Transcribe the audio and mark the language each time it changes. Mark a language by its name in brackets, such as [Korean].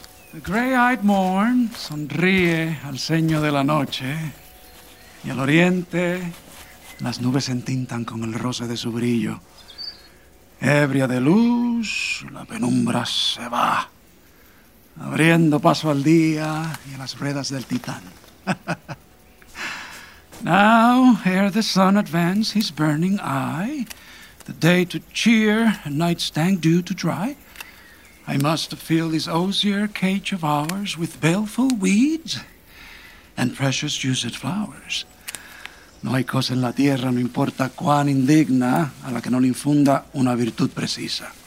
[English] Gray-eyed morn [Spanish] sonríe al ceño de la noche, y al oriente las nubes se entintan con el roce de su brillo. Ebria de luz, la penumbra se va, abriendo paso al día y a las ruedas del titán. [English] Now, ere the sun advance his burning eye, the day to cheer and night's dank dew to dry, I must fill this osier cage of ours with baleful weeds and precious juiced flowers. [Spanish] No hay cosa en la tierra, no importa cuán indigna, a la que no le infunda una virtud precisa.